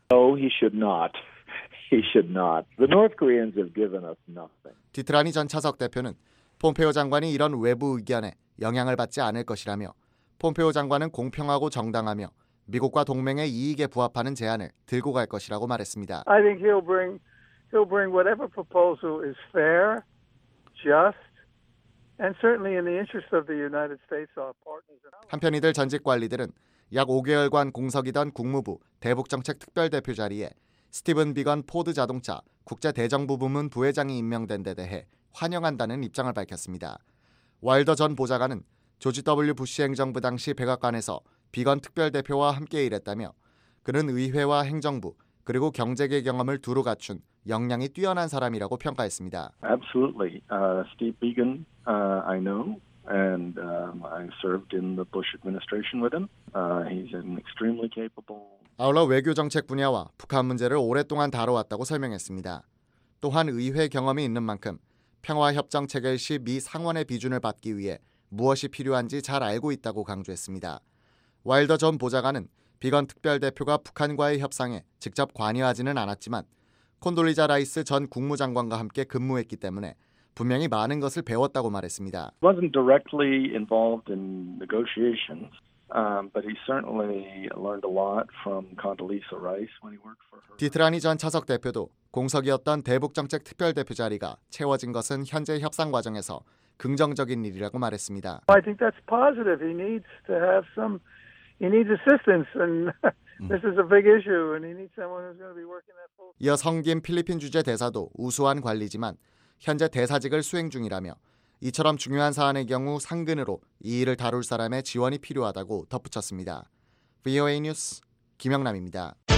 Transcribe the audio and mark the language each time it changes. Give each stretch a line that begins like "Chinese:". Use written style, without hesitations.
English: No, he should not. He should not. The North Koreans have given us nothing.
Korean: 디트라니 전 차석 대표는 폼페오 장관이 이런 외부 의견에 영향을 받지 않을 것이라며 폼페오 장관은 공평하고 정당하며 미국과 동맹의 이익에 부합하는 제안을 들고 갈 것이라고 말했습니다.
English: I think he'll bring whatever proposal is fair, just, and certainly in the interest of the United States or partners.
Korean: 한편 이들 전직 관리들은 약 5개월간 공석이던 국무부 대북정책특별대표 자리에 스티븐 비건 포드 자동차 국제대정부부문 부회장이 임명된 데 대해 환영한다는 입장을 밝혔습니다. 와일더 전 보좌관은 조지 W. 부시 행정부 당시 백악관에서 비건 특별대표와 함께 일했다며 그는 의회와 행정부 그리고 경제계 경험을 두루 갖춘 역량이 뛰어난 사람이라고 평가했습니다.
English: Absolutely. Steve Biegun, I know. And I served in the Bush administration with him. He's an extremely capable.
Korean: 아울러 외교 정책 분야와 북한 문제를 오랫동안 다뤄왔다고 설명했습니다. 또한 의회 경험이 있는 만큼 평화 협정 체결 시 미 상원의 비준을 받기 위해 무엇이 필요한지 잘 알고 있다고 강조했습니다. 와일더 전 보좌관은 비건 특별 대표가 북한과의 협상에 직접 관여하지는 않았지만 콘돌리자 라이스 전 국무장관과 함께 근무했기 때문에 분명히 많은 것을 배웠다고 말했습니다.
English: Wasn't directly involved in negotiations, but he certainly learned a lot from Condoleezza Rice when he worked for her.
Korean: 디트라니 전 차석 대표도 공석이었던 대북정책 특별대표 자리가 채워진 것은 현재 협상 과정에서 긍정적인 일이라고 말했습니다.
English: I think that's positive. He needs to have some. He needs assistance, and this is a big issue, and he needs someone who's going to be working that full.
Korean: 이어 성김 필리핀 주재 대사도 우수한 관리지만 현재 대사직을 수행 중이라며 이처럼 중요한 사안의 경우 상근으로 이 일을 다룰 사람의 지원이 필요하다고 덧붙였습니다. VOA 뉴스 김영남입니다.